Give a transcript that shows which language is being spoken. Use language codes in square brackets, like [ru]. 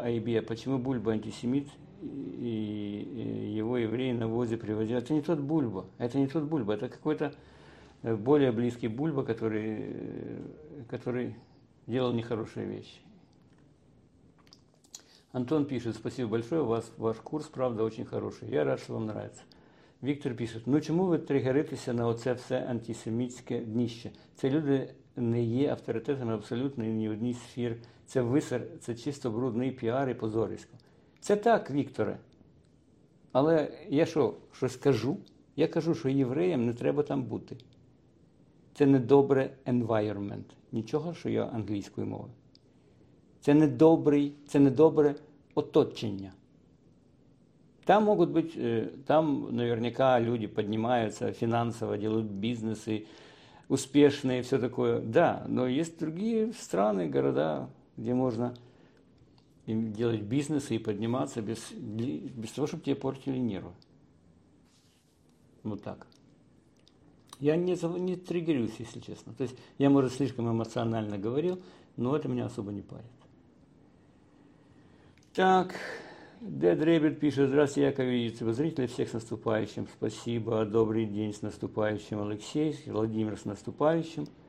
[ru] Айбе, почему Бульба антисемит, и его евреи на ВОЗе привозят? Это не тот Бульба, это не тот Бульба. Это какой-то более близкий Бульба, который делал нехорошие вещи. Антон пишет, спасибо большое, ваш курс, правда, очень хороший. Я рад, что вам нравится. [uk] Виктор пишет, ну чому ви тригеритеся на оце все антисемітське днище? Це люди не є авторитетами абсолютно ні в одній сфері. Це висер, це чисто брудний піар і позорисько. Це так, Вікторе. Але я що, щось кажу? Я кажу, що євреям не треба там бути. Це не добре environment. Нічого, що я англійською мовою. Це недобре оточення. Там можуть бути, там наверняка люди піднімаються фінансово, роблять бізнеси, успішні і все таке. Да, але є інші країни, міста, де можна робити бізнеси і підніматися без того, щоб тебе портили нерви. [ru] Вот так. Я не тригерюсь, если честно. То есть я, может, слишком эмоционально говорил, но это меня особо не парит. Так, Дед Ребер пишет, здравствуйте, Яков и YouTube зрители, всех с наступающим, спасибо, добрый день, с наступающим, Алексей, Владимир, с наступающим.